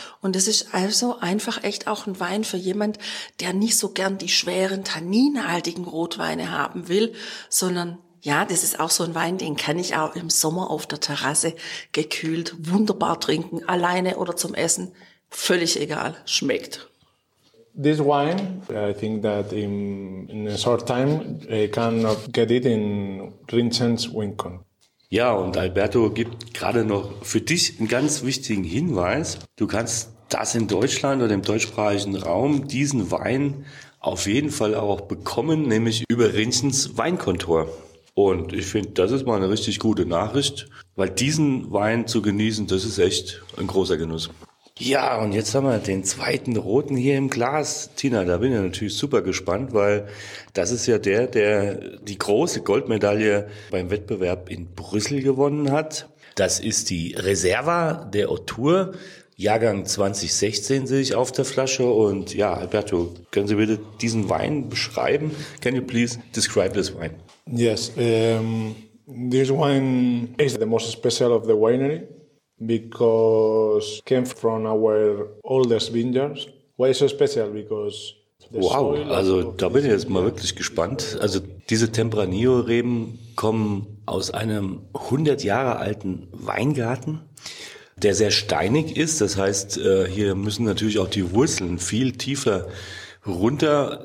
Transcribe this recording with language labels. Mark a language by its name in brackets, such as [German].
[German] Und es ist also einfach echt auch ein Wein für jemand, der nicht so gern die schweren, tanninhaltigen Rotweine haben will, sondern ja, das ist auch so ein Wein, den kann ich auch im Sommer auf der Terrasse gekühlt wunderbar trinken, alleine oder zum Essen. Völlig egal, schmeckt. [English] This wine, I think that in a short time, I cannot get it in Rinchens Wincon. [German] Ja, und Alberto gibt gerade noch für dich einen ganz wichtigen Hinweis. Du kannst das in Deutschland oder im deutschsprachigen Raum, diesen Wein, auf jeden Fall auch bekommen, nämlich über Rinchens Weinkontor. Und ich finde, das ist mal eine richtig gute Nachricht, weil diesen Wein zu genießen, das ist echt ein großer Genuss. Ja, und jetzt haben wir den zweiten Roten hier im Glas. Tina, da bin ich natürlich super gespannt, weil das ist ja der, der die große Goldmedaille beim Wettbewerb in Brüssel gewonnen hat. Das ist die Reserva der Autour, Jahrgang 2016 sehe ich auf der Flasche. Und ja, Alberto, können Sie bitte diesen Wein beschreiben? [English] Can you please describe this wine? Yes, this wine is the most special of the winery. Because it came from our oldest vineyards. Why so special? Because the wow, soil, [German] also da bin ich jetzt mal wirklich gespannt. Also diese Tempranillo-Reben kommen aus einem 100 Jahre alten Weingarten, der sehr steinig ist. Das heißt, hier müssen natürlich auch die Wurzeln viel tiefer runter.